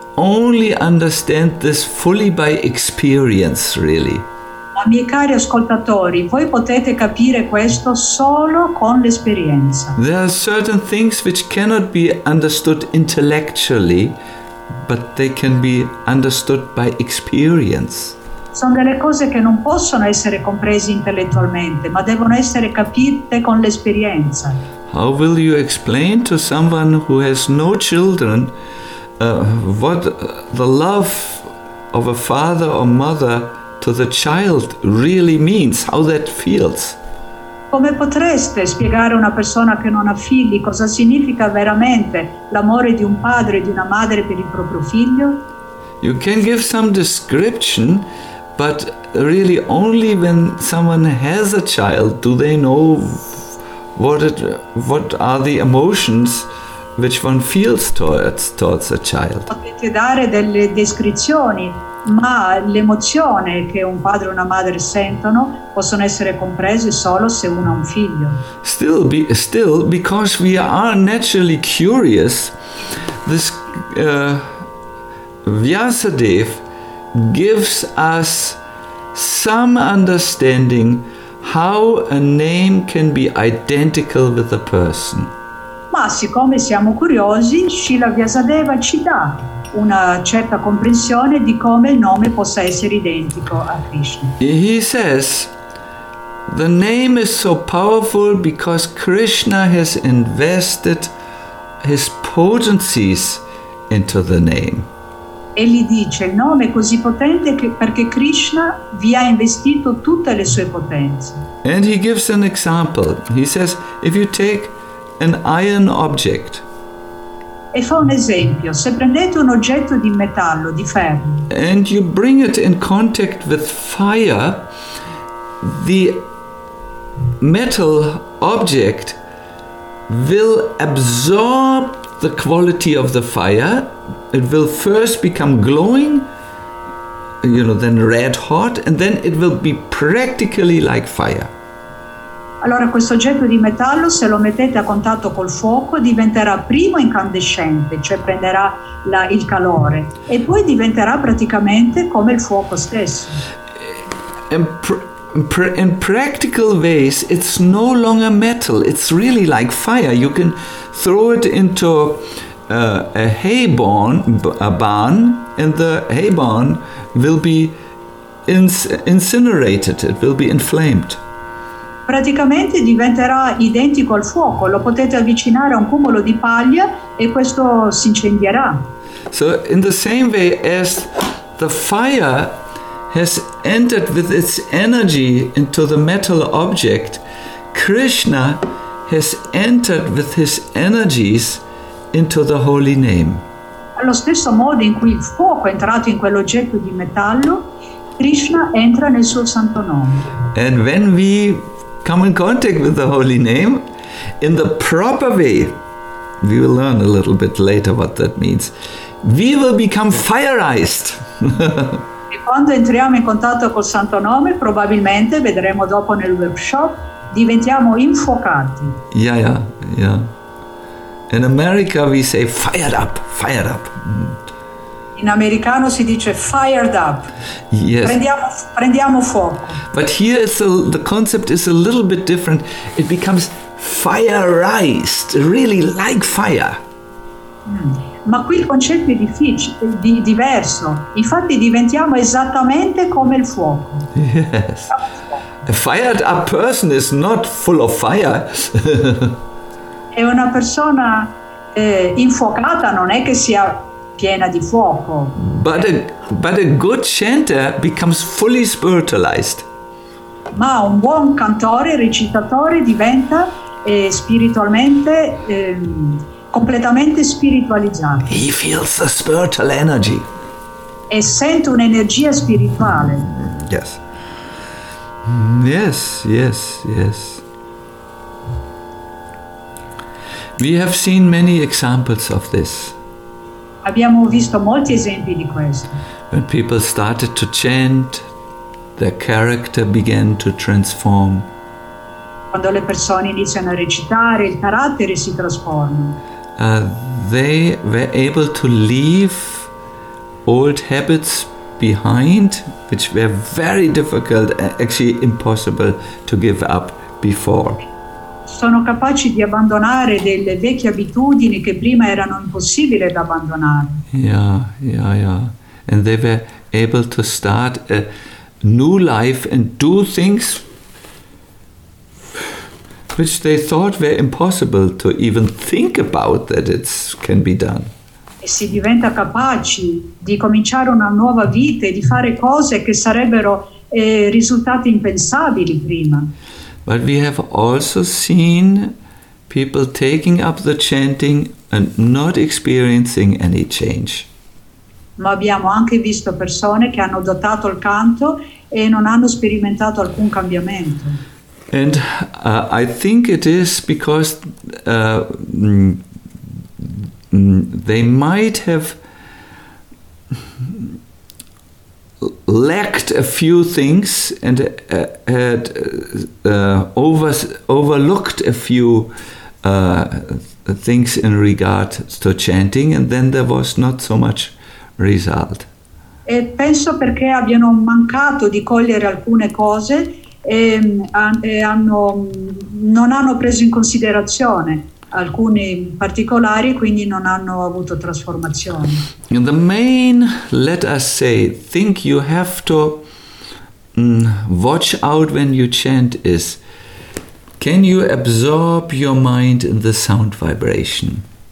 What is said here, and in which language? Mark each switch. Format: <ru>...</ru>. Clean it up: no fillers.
<en>only understand this fully by experience, really.</en> <it>Miei cari ascoltatori, voi potete capire questo solo con l'esperienza.</it> <en>There are certain things which cannot be understood intellectually, but they can be understood by experience.</en> <it>Sono delle cose che non possono essere comprese intellettualmente, ma devono essere capite con l'esperienza.</it> <en>How will you explain to someone who has no children what the love of a father or mother to the child really means, how that feels?</en> <it>Come potreste spiegare a una persona che non ha figli cosa significa veramente l'amore di un padre e di una madre per il proprio figlio?</it> <en>You can give some description, but really only when someone has a child do they know what are the emotions which one feels towards a child.</en> <it>Potete dare delle descrizioni, ma l'emozione che un padre e una madre sentono possono essere comprese solo se uno ha un figlio.</it> <en>Still, because we are naturally curious, this Vyasadev gives us some understanding how a name can be identical with a person.</en> <it>Ma siccome siamo curiosi, Srila Vyasadeva ci dà una certa comprensione di come il nome possa essere identico a Krishna.</it> <en>He says, the name is so powerful because Krishna has invested his potencies into the name.</en> <it>Egli dice, il nome è così potente perché Krishna vi ha investito tutte le sue potenze.</it> <en>And he gives an example. He says, if you take an iron object,</en> <it>e fa un esempio, se prendete un oggetto di metallo, di ferro,</it> <en>and you bring it in contact with fire, the metal object will absorb the quality of the fire. It will first become glowing, you know, then red hot, and then it will be practically like fire.</en> <it>Allora questo oggetto di metallo, se lo mettete a contatto col fuoco, diventerà prima incandescente, cioè prenderà il calore, e poi diventerà praticamente come il fuoco stesso.</it> <en>In practical ways, it's no longer metal. It's really like fire. You can throw it into a hay barn, a barn, and the hay barn will be incinerated. It will be inflamed.</en> <it>Praticamente diventerà identico al fuoco, lo potete avvicinare a un cumulo di paglia e questo si incendierà.</it> <en>So in the same way as the fire has entered with its energy into the metal object, Krishna has entered with his energies into the holy name.</en> <it>Allo stesso modo in cui il fuoco è entrato in quell'oggetto di metallo, Krishna entra nel suo santo nome.</it> <en>And when we come in contact with the holy name in the proper way, we will learn a little bit later what that means. We will become fireized.</en> <it>E quando entriamo in contatto col santo nome, probabilmente vedremo dopo nel workshop, diventiamo infuocati.</it> <en>Yeah, yeah, yeah. In America we say fired up, fired up.</en> <it>In americano si dice</it> <en>fired up. Yes.</en> <it>Prendiamo fuoco.</it> <en>But here the concept is a little bit different. It becomes fireized, really like fire.</en> <it>Ma qui il concetto è diverso. Infatti diventiamo esattamente come il fuoco.</it> <en>Yes. A fired up person is not full of fire.</en> <it>È una persona infuocata, non è che sia piena di fuoco.</it> <en>But a good chanter becomes fully spiritualized.</en> <it>Ma un buon cantore, recitatore diventa spiritualmente completamente spiritualizzato.</it> <en>He feels the spiritual energy.</en> <it>E sente un'energia spirituale.</it> <en>Yes. Yes, yes, yes. We have seen many examples of this.</en> <it>Abbiamo visto molti esempi di questo.</it> <en>When people started to chant, their character began to transform.</en> <it>Quando le persone iniziano a recitare, il carattere si trasforma.</it> <en>They were able to leave old habits behind, which were very difficult, actually impossible to give up before.</en> <it>Sono capaci di abbandonare delle vecchie abitudini che prima erano impossibili da abbandonare.</it> <en>Yeah. And they were able to start a new life and do things which they thought were impossible to even think about that it can be done.</en> <it>E si diventa capaci di cominciare una nuova vita e di fare cose che sarebbero risultate impensabili prima.</it> <en>But we have also seen people taking up the chanting and not experiencing any change.</en> <it>Ma abbiamo anche visto persone che hanno adottato il canto e non hanno sperimentato alcun cambiamento.</it> <en>And I think it is because they might have lacked a few things and had overlooked a few things in regard to chanting, and then there was not so much result.</en> <it>E penso perché abbiano mancato di cogliere alcune cose e non hanno preso in considerazione alcuni particolari, quindi non hanno avuto trasformazione.</it> <en>In the main, let us say, think you have to watch out when you chant is, can you absorb your mind in the sound vibration?</en>